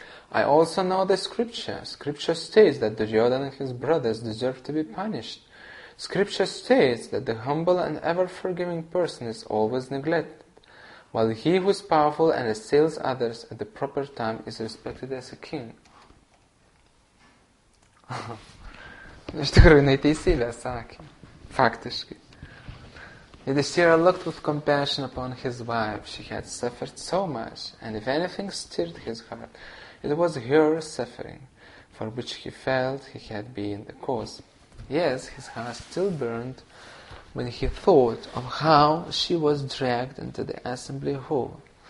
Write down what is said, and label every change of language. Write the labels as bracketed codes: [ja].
[en] I also know the scripture. Scripture states that Duryodhana and his brothers deserve to be punished. Scripture states that the humble and ever-forgiving person is always neglected, while he who is powerful and assails others at the proper time is respected as a king. [lt] Iš tikrųjų, jinai teisybė sakė, faktiškai. [en] Yudhishthira looked with compassion upon his wife. She had suffered so much, and if anything stirred his heart, it was her suffering, for which he felt he had been the cause. Yes, his heart still burned when he thought of how she was dragged into the assembly hall.